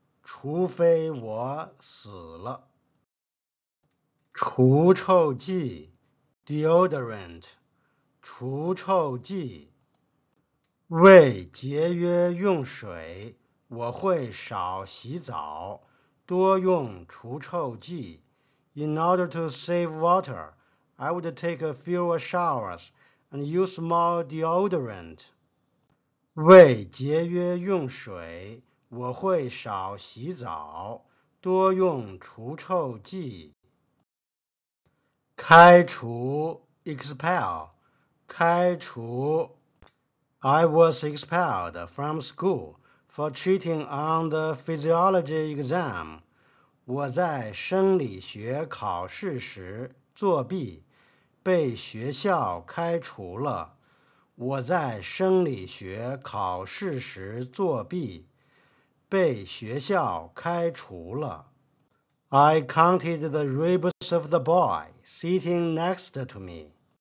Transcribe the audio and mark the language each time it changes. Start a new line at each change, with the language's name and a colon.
Chinese: 除非我死了。除臭剂 deodorant， 除臭剂。为节约用水，我会少洗澡，多用除臭剂。
English: In order to save water, I would take fewer showers and use more deodorant.
Chinese: 为节约用水，我会少洗澡，多用除臭剂。开除 expel， 开除。
English: I was expelled from school for cheating on the physiology exam.
Chinese: 我在生理学考试时作弊，被学校开除了。我在生理学考试时作弊。被学校开除了。
English: I counted the ribs of the boy sitting next to me.